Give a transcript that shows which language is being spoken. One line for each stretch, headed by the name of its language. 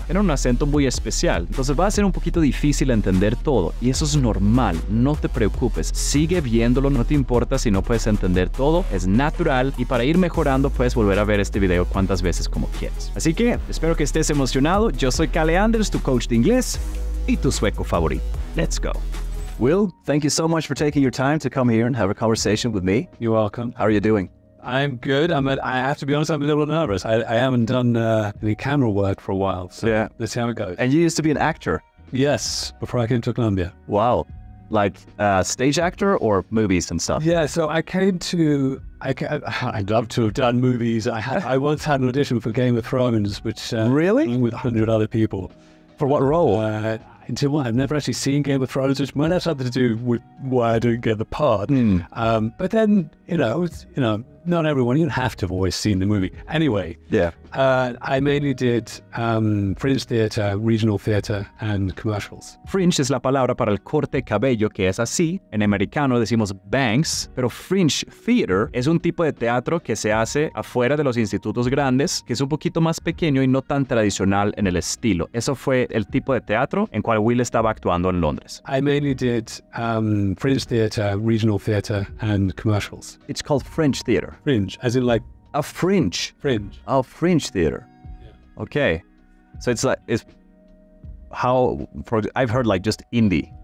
Spanish: Tiene un acento muy especial, entonces va a ser un poquito difícil entender todo. Y eso es normal. No te preocupes. Sigue viéndolo. No te importa si no puedes entender todo. Es natural. Y para ir mejorando, puedes volver a ver este video cuantas veces como quieras. Así que espero que estés emocionado. Yo soy Kalle Anders, tu coach de inglés y tu sueco favorito.
English: Let's go. Will, thank you so much for taking your time to come here and have a conversation with me. You're welcome. How are you doing? I'm good. I have to be honest, I'm a little nervous. I haven't done any camera work for a while, so yeah. Let's see how it goes. And you used to be an actor? Yes, before I came to Colombia. Wow. Like a stage actor or movies and stuff? Yeah, so I'd love to have done movies. I once had an audition for Game of Thrones, which really? With 100 other people. For what role? I've never actually seen Game of Thrones, which might have something to do with why I didn't get the part. Mm. But then, not everyone, you'd have to have always seen the movie. Anyway, yeah, I mainly did fringe theatre, regional theatre, and commercials.
Spanish: Fringe es la palabra para el corte cabello, que es así. En americano decimos bangs, pero fringe theatre es un tipo de teatro que se hace afuera de los institutos grandes, que es un poquito más pequeño y no tan tradicional en el estilo. Eso fue el tipo de teatro en cual Will estaba actuando en Londres.
English: I mainly did fringe theatre, regional theatre, and commercials. It's called fringe theatre. Fringe, as in like... A fringe. Fringe. A fringe theater. Yeah. Okay. So it's like, it's how, for I've heard like just indie.